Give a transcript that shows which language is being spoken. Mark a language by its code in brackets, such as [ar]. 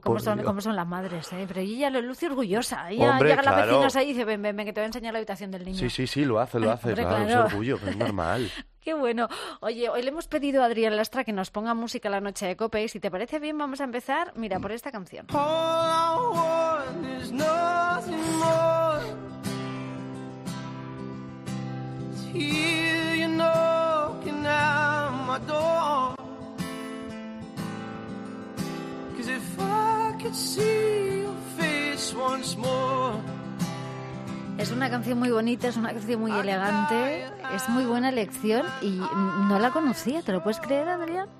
[es] ¿Cómo son las madres, ¿eh? Pero ella lo luce orgullosa. Ella, hombre, llega, claro, la vecina ahí y dice, ven, que te voy a enseñar la habitación del niño. Sí, lo hace, hombre, claro. Es orgullo, pero es normal. ¡Qué bueno! Oye, hoy le hemos pedido a Adrián Lastra que nos ponga música a la noche de COPE, y si te parece bien, vamos a empezar, mira, por esta canción. [en] All I want is nothing more. It's here, you know, knocking at my door. 'Cause if I could see your face once more. [es] Es una canción muy bonita, es una canción muy elegante, es muy buena elección y no la conocía, ¿te lo puedes creer, Adrián?